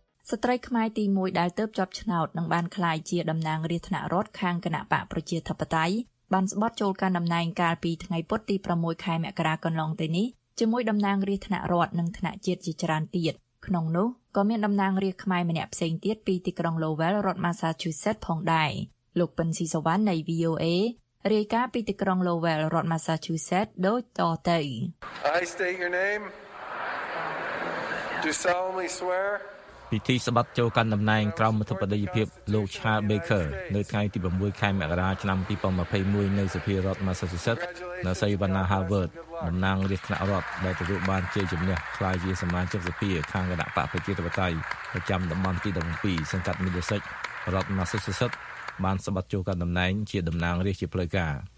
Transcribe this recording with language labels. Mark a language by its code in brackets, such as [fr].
[km] ស្ត្រីខ្មែរទី1ដែលទើបជាប់ឆ្នោតនឹងបានក្លាយជាតំណាងរាស្ត្រថ្នាក់រដ្ឋខាងគណៈបកប្រជាធិបតេយ្យបានស្បត់ចូលកាន់តំណែងកាលពីថ្ងៃពុធទី6ខែមករាកន្លងទៅនេះជាមួយតំណាងរាស្ត្រថ្នាក់រដ្ឋនិងថ្នាក់ជាតិជាច្រើនទៀតក្នុងនោះក៏មានតំណាងរាស្ត្រខ្មែរម្នាក់ផ្សេងទៀតពីទីក្រុង Lowell រដ្ឋ Massachusetts ផងដែរលោកប៉ិនស៊ីសវណ្ណនៃ VOAរាយការណ៍ពីទីក្រុង Lowell រដ្ឋ Massachusetts ដូចតទៅ [en] I state your name Do solemnly swear [km] ពីទីស្បាត់ចូលកាន់តំណែងក្រោមអធិបតីភាពលោក Charles Baker នៅថ្ងៃទី6ខែមករាឆ្នាំ2021នៅសភារដ្ឋ Massachusetts នៅសាវណ្ណា Harvard តំណាងរាស្ត្រថ្នាក់រដ្ឋដែលទទួលបានជ័យជំនះខ្លាយជាសមាជិកសភាខាងគណៈបកប្រជាធិបតេយ្យប្រចាំតំបន់ទី12សង្កាត់ Middlesex រដ្ឋ Massachusettsបានស្បាត់ចូលកាន់តំណែងជាតំណាងរាស្ត្រជាផ្លូវការ